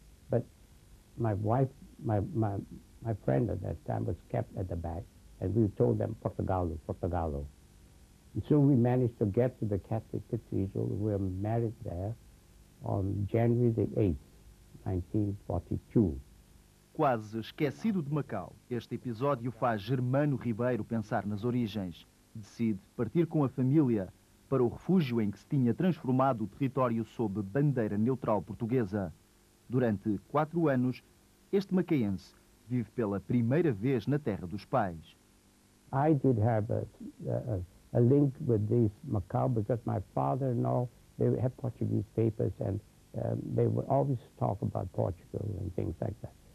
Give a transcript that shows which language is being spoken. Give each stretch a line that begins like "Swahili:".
English: But my wife, my friend at that time was kept at the back, and we told them, Portugalo, Portugalo. And so we managed to get to the Catholic Cathedral. We were married there on January the 8th, 1942.
Portuguese: Quase esquecido de Macau, este episódio faz Germano Ribeiro pensar nas origens. Decide partir com a família para o refúgio em que se tinha transformado o território sob bandeira neutral portuguesa. Durante 4 anos, este macaense vive pela primeira vez na terra dos pais.
English: I did have a link with this Macau because my father and all, they have Portuguese papers and they would always talk about Portugal and things like that.